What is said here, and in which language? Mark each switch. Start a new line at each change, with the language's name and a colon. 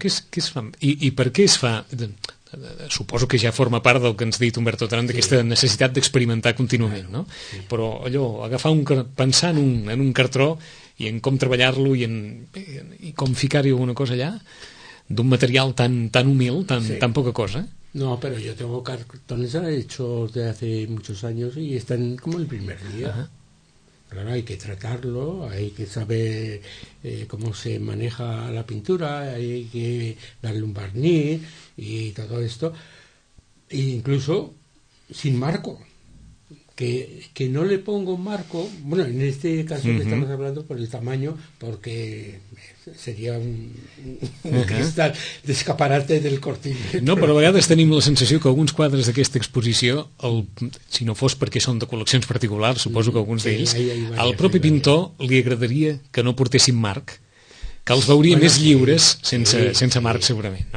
Catalan: Què es fa? I per què es fa? Suposo que ja forma part del que ens ha dit Humberto Trant, d'aquesta necessitat d'experimentar contínuament, no? Sí. Però allò, agafar un, pensar en un cartró i en com treballar-lo i com ficar-hi alguna cosa allà, d'un material tan humil, tan poca cosa.
Spanish: No, pero yo tengo cartones hechos de hace muchos años y están como el primer día. Claro, hay que tratarlo, hay que saber cómo se maneja la pintura, hay que darle un barniz y todo esto. E incluso sin marco, que no le pongo marco, bueno, en este caso que estamos hablando por el tamaño, porque sería un cristal de escaparate del cortinet.
Catalan: No, però a vegades tenim la sensació que alguns quadres d'aquesta exposició, si no fos perquè són de col·leccions particulars, suposo que alguns d'ells, al propi pintor li agradaria que no portessin marc, que els veuria més lliures sense marc, segurament.